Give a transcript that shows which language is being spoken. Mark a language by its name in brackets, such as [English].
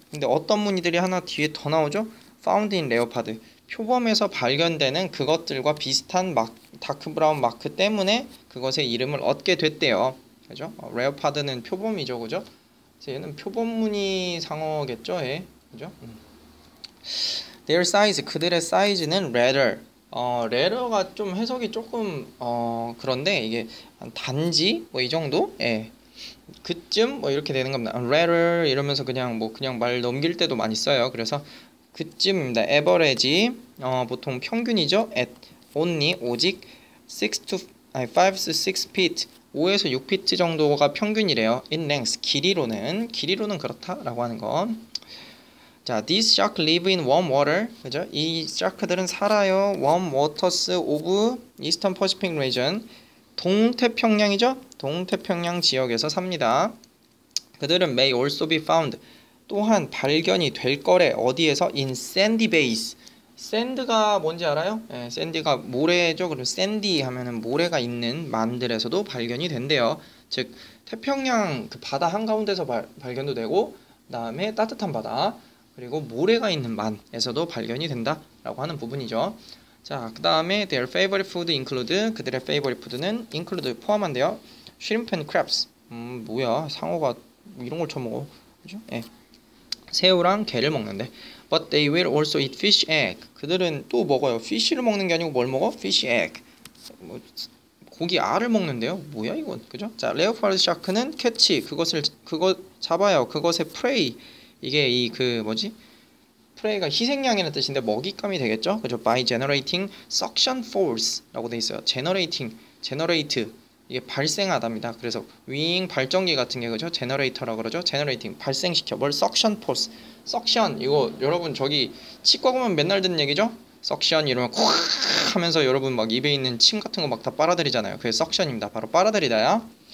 [Korean] 근데 어떤 무늬들이 하나 뒤에 더 나오죠? [English] Found in leopard. [Korean] 표범에서 발견되는 그것들과 비슷한 다크 브라운 마크 때문에 그것의 이름을 얻게 됐대요. 그죠? 레오파드는 표범이죠, 그죠? 그래서 얘는 표범 무늬 상어겠죠, 예. 그죠? [English] Their size, [Korean] 그들의 사이즈는 [English] rather. [Korean] rather가 좀 해석이 조금, 그런데 이게 단지? 뭐이 정도? 예. 그쯤? 뭐 이렇게 되는 겁니다. rather 이러면서 그냥 뭐 그냥 말 넘길 때도 많이 써요. 그래서 그쯤입니다. [English] Average, [Korean] 보통 평균이죠. [English] At only [Korean] 오직 6 to 아니 [English] 5 to 6 feet, [Korean] 5에서 6피트 정도가 평균이래요. [English] In length, [Korean] 길이로는 그렇다라고 하는 거. [English] 자, these sharks live in warm water. [Korean] 그죠? 이 샤크들은 살아요. [English] Warm waters of Eastern Pacific region, [Korean] 동태평양이죠? 동태평양 지역에서 삽니다. 그들은 [English] may also be found. [Korean] 또한 발견이 될 거래. 어디에서? [English] In sandy bays. [Korean] 샌드가 뭔지 알아요? 예, 샌디가 모래죠. 그럼 샌디 하면은 모래가 있는 만들에서도 발견이 된대요. 즉 태평양 그 바다 한가운데서 발견도 되고, 그다음에 따뜻한 바다 그리고 모래가 있는 만에서도 발견이 된다라고 하는 부분이죠. 자, 그다음에 [English] their favorite food include. [Korean] 그들의 [English] favorite food [Korean] 는 include 포함한대요. [English] Shrimp and crabs. [Korean] 뭐야? 상어가 이런 걸 쳐먹어. 그죠? 예. 새우랑 게를 먹는데. [English] But they will also eat fish egg. [Korean] 그들은 또 먹어요. fish를 먹는 게 아니고 뭘 먹어? [English] fish egg. [Korean] 뭐 고기 알을 먹는데요. 뭐야 이건? 그죠? 자, 레오파드 샤크는 캐치. 그거 잡아요. 그것의 프레이. 이게 이그 뭐지? 프레이가 희생양이라는 뜻인데 먹잇감이 되겠죠? 그죠? [English] By generating suction force [Korean] 라고 돼 있어요. generate 이게 발생하답니다. 그래서 윙 발전기 같은 게 그죠? 제너레이터라고 그러죠? 제너레이팅 발생시켜. 뭘? 석션 포스. 석션 이거 여러분 저기 치과 가면 맨날 듣는 얘기죠? 석션 이러면 콱 하면서 여러분 막 입에 있는 침 같은 거막다 빨아들이잖아요. 그게 석션입니다. 바로 빨아들이다야.